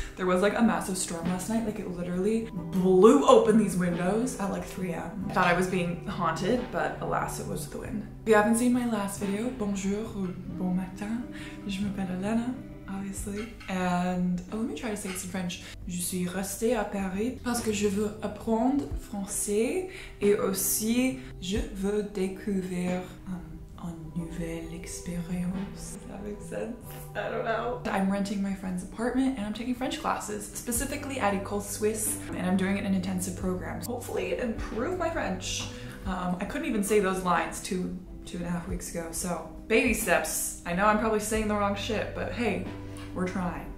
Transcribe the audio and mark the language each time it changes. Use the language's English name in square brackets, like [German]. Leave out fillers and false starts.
[English] There was like a massive storm last night. Like it literally blew open these windows at like 3 a.m. I thought I was being haunted, but alas, it was the wind. If you haven't seen my last video, [French] bonjour ou bon matin. Je m'appelle Elena, [English] obviously. And let me try to say this in French. [French] Je suis restée à Paris parce que je veux apprendre français et aussi je veux découvrir nouvelle expérience. [English] Does that make sense? I don't know. I'm renting my friend's apartment and I'm taking French classes, specifically at Ecole Suisse, and I'm doing it in intensive programs. Hopefully improve my French. I couldn't even say those lines two and a half weeks ago, so baby steps. I know I'm probably saying the wrong shit, but hey, we're trying.